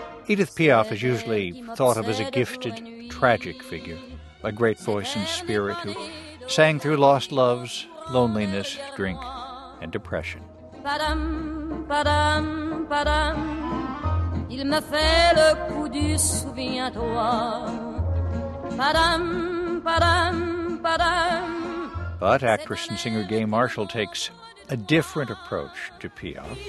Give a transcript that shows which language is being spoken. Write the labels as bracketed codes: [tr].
[en] Edith Piaf is usually thought of as a gifted, tragic figure, a great voice and spirit who sang through lost loves, loneliness, drink, and depression. Ba-dum, ba-dum, ba-dum. [fr] Il me fait le coup du souviens-toi. Ba-dum, ba-dum, ba-dum. [en] But actress and singer Gay Marshall takes a different approach to Piaf.